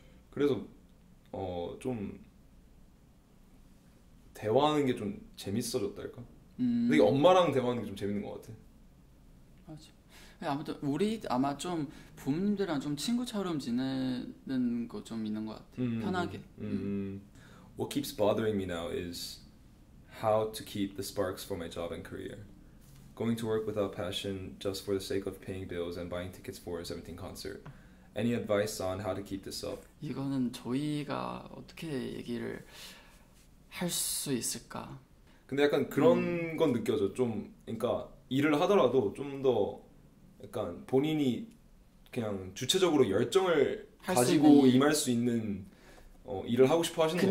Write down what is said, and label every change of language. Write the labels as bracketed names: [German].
[Korean] 그래서 좀 대화하는 게좀 재밌어졌달까? 근데 엄마랑 대화하는 게좀 재밌는 것 같아. 아무튼 우리 아마 좀 부모님들이랑 좀 친구처럼 지내는 거좀 있는 것 같아. 편하게. [English] What keeps bothering me now is how to keep the sparks for my job and career. Going to work without passion, just for the sake of paying bills and buying tickets for a 17 concert. Any advice on how to keep this up? [Korean] 이거는 저희가 어떻게 얘기를 할수 있을까? 근데 약간 그런 건 느껴져. 좀, 그러니까 일을 하더라도 좀더 약간 본인이 그냥 주체적으로 열정을 할수 있는 가지고 일. 임할 수 있는 일을 하고 싶어 하시는 것